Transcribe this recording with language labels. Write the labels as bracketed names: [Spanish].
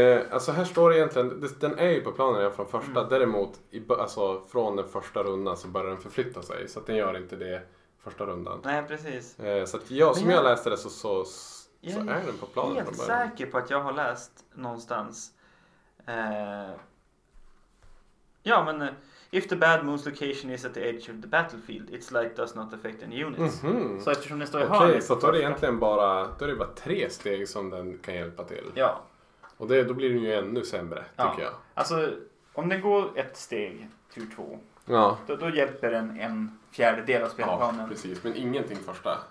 [Swedish] Alltså här står det egentligen... Den är ju på planen från första. Mm. Däremot, alltså från den första rundan så börjar den förflytta sig. Så att den gör inte det första rundan. Nej, precis. Så att jag, som jag läste det så är den på planen. Jag är helt säker på att jag har läst någonstans. Ja, men... [English] If the bad moon's location is at the edge of the battlefield, its light does not affect any units. Mm-hmm. [Swedish] Så eftersom det står i hörnet... Okej, så då är det egentligen bara, då är det bara tre steg som den kan hjälpa till. Ja. Och det, då blir den ju ännu sämre, ja, tycker jag. Alltså, om den går ett steg, tur två, ja, då hjälper den en fjärdedel av spelplanen. Ja, precis. Men ingenting första.